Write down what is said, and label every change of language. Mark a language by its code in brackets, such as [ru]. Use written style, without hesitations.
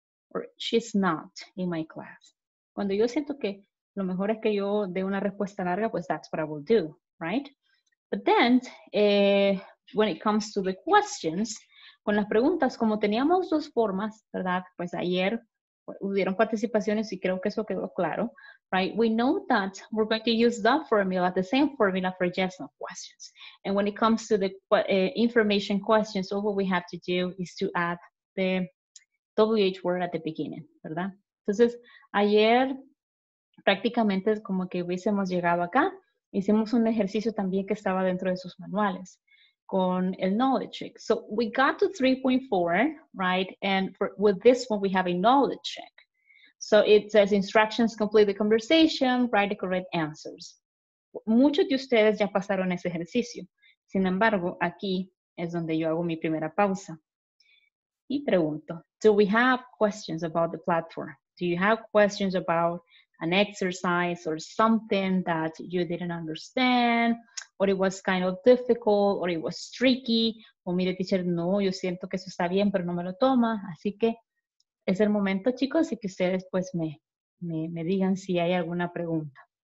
[en] Or she's not in my class. [es] Cuando yo siento que lo mejor es que yo dé una respuesta larga, pues [en] that's what I will do, right? But then, when it comes to the questions, [es] con las preguntas, como teníamos dos formas, ¿verdad? Pues ayer hubieron participaciones y creo que eso quedó claro, right? [en] We know that we're going to use that formula, the same formula for yes no questions. And when it comes to the information questions, all what we have to do is to add the WH word at the beginning, ¿verdad? [es] Entonces, ayer prácticamente es como que hubiésemos llegado acá. Hicimos un ejercicio también que estaba dentro de sus manuales con el knowledge check. [en] So we got to 3.4, right? And with this one, we have a knowledge check. So it says instructions, complete the conversation, write the correct answers. [es] Muchos de ustedes ya pasaron ese ejercicio. Sin embargo, aquí es donde yo hago mi primera pausa. Y pregunto, [en] do we have questions about the platform? Do you have questions about an exercise or something that you didn't understand, or it was kind of difficult, or it was tricky? [es] O mire, teacher, no, yo siento que eso está bien, pero no me lo toma. Así que es el momento, chicos, y que ustedes pues me digan si hay alguna pregunta.